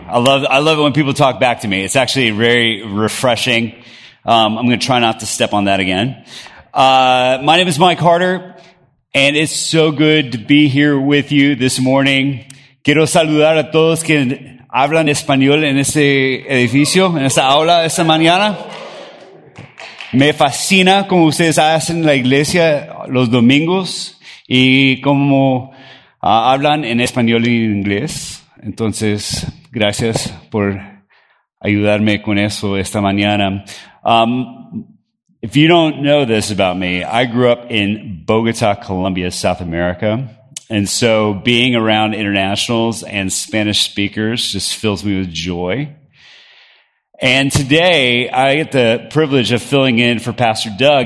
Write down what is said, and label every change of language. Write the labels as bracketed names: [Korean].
[English] I love it when people talk back to me. It's actually very refreshing. I'm going to try not to step on that again. My name is Mike Harder, and it's so good to be here with you this morning. [Spanish] Quiero saludar a todos que hablan español en este edificio, en esta aula, esta mañana. Me fascina como ustedes hacen la iglesia los domingos y como hablan en español y en inglés. Entonces, gracias por ayudarme con eso esta mañana. [English] If you don't know this about me, I grew up in Bogota, Colombia, South America. And so being around internationals and Spanish speakers just fills me with joy. And today, I get the privilege of filling in for Pastor Doug.